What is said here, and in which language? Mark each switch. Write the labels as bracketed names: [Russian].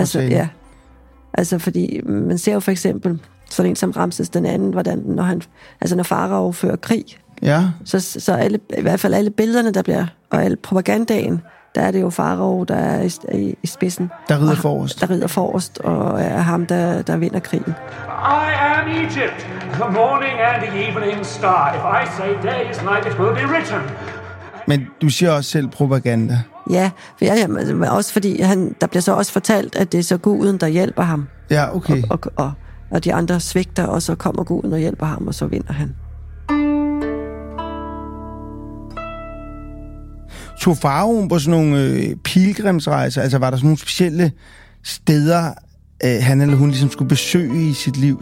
[Danish] altså, ja. Altså, fordi man ser jo for eksempel sådan en som Ramses den anden, hvordan når farao fører krig, ja. Så alle, i hvert fald alle billederne, der bliver, og alle propagandaen, der er det jo farao, der er i spidsen. Der rider forrest. Der rider forrest, og er ham, der vinder krigen. [English] I am Egypt, the morning and the evening star. If I say day is night, it will be written. [Danish] Men du siger også selv propaganda. Ja, men også fordi han, der bliver så også fortalt, at det er så guden, der hjælper ham. Ja, okay. Og de andre svigter, og så kommer guden og hjælper ham, og så vinder han. Tog faraoen på sådan nogle pilgrimsrejser? Altså var der sådan nogle specielle steder, han eller hun ligesom skulle besøge i sit liv?